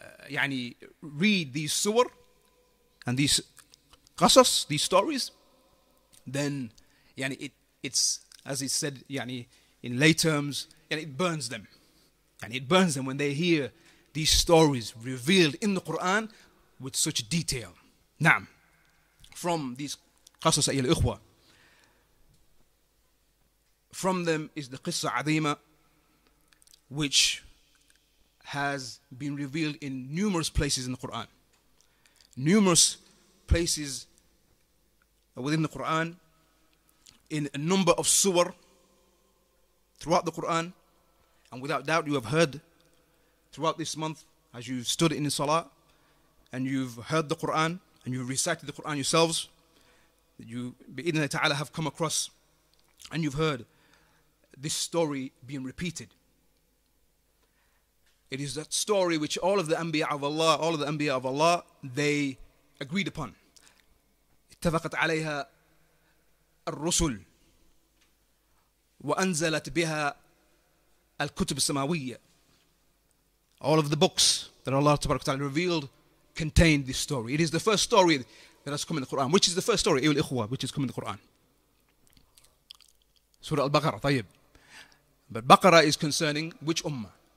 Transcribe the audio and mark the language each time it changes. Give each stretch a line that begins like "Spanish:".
English: yani read these surah and these qasas, these stories, then yani it's as it said yani in lay terms, yani it burns them when they hear these stories revealed in the Quran with such detail.
Arabic: Naam.
English: From these
Arabic: قصص أيها الإخوة.
English: From them is the
Arabic: قصة عظيمة,
English: which has been revealed in numerous places in the Quran. Numerous places within the Quran, in a number of surah throughout the Quran, and without doubt you have heard throughout this month as you stood in the salah and you've heard the Quran and you recited the Quran yourselves. You,
Arabic: بإذن الله تعالى,
English: have come across and you've heard this story being repeated. It is that story which all of the Anbiya of Allah, they agreed upon.
Arabic: اتفقت عليها الرسل وأنزلت بها الكتب السماوية.
English: All of the books that Allah تبارك وتعالى revealed contained this story. It is the first story that has come in the Quran. Which is the first story,
Arabic: Ayyul Ikhwah,
English: which has come in the Quran? Surah Al-Baqarah, tayyib. But Baqarah is concerning which ummah?